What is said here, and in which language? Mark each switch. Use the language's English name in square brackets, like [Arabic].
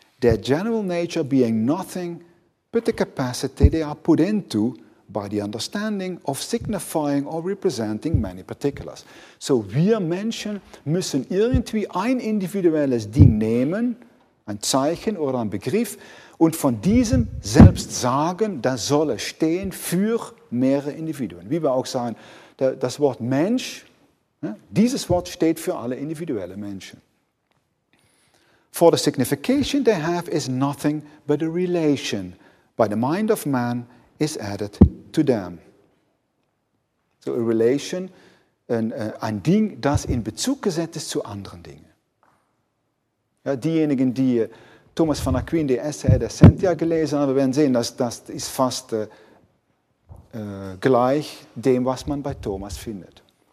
[English] Their general nature being nothing but the capacity they are put into by the understanding of signifying or representing many particulars. [German] So wir Menschen müssen irgendwie ein individuelles Ding nehmen, ein Zeichen oder ein Begriff, und von diesem selbst sagen, das solle stehen für mehrere Individuen. Wie wir auch sagen, das Wort Mensch, dieses Wort steht für alle individuellen Menschen. [English] For the signification they have is nothing but a relation by the mind of man is added to them. So a relation, [German] ein Ding, das in Bezug gesetzt ist zu anderen Dingen. Ja, diejenigen, die Thomas von Aquin, die Essay der Sentia gelesen haben, werden sehen, dass das ist fast gleich dem, was man bei Thomas findet.